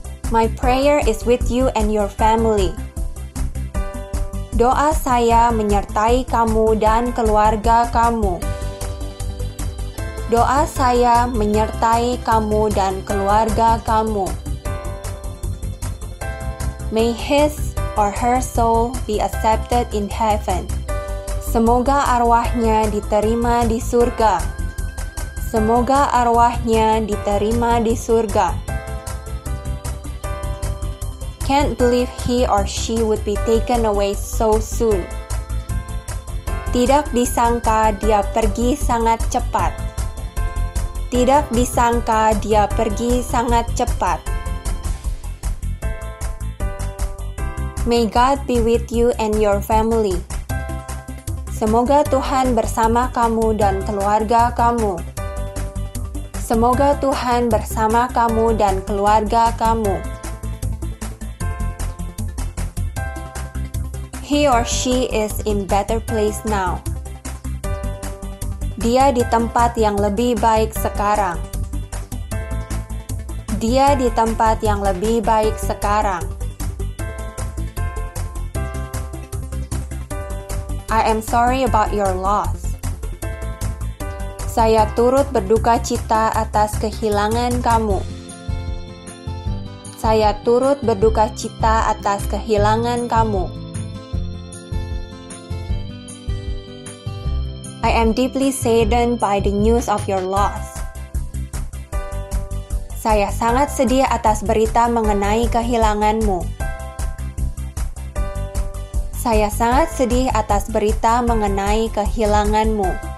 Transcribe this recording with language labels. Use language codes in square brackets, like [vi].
[en] My prayer is with you and your family. [id] Doa saya menyertai kamu dan keluarga kamu. Doa saya menyertai kamu dan keluarga kamu. [en] May his or her soul be accepted in heaven. [id] Semoga arwahnya diterima di surga. Semoga arwahnya diterima di surga. [en] Can't believe he or she would be taken away so soon. [id] Tidak disangka dia pergi sangat cepat. Tidak disangka dia pergi sangat cepat. [en] May God be with you and your family. [id] Semoga Tuhan bersama kamu dan keluarga kamu. Semoga Tuhan bersama kamu dan keluarga kamu. [en] He or she is in better place now. [id] Dia di tempat yang lebih baik sekarang. Dia di tempat yang lebih baik sekarang. [en] I am sorry about your loss. [id] Saya turut berduka cita atas kehilangan kamu. Saya turut berduka cita atas kehilangan kamu. [en] I am deeply saddened by the news of your loss. [id] Saya sangat sedih atas berita mengenai kehilanganmu. Saya sangat sedih atas berita mengenai kehilanganmu.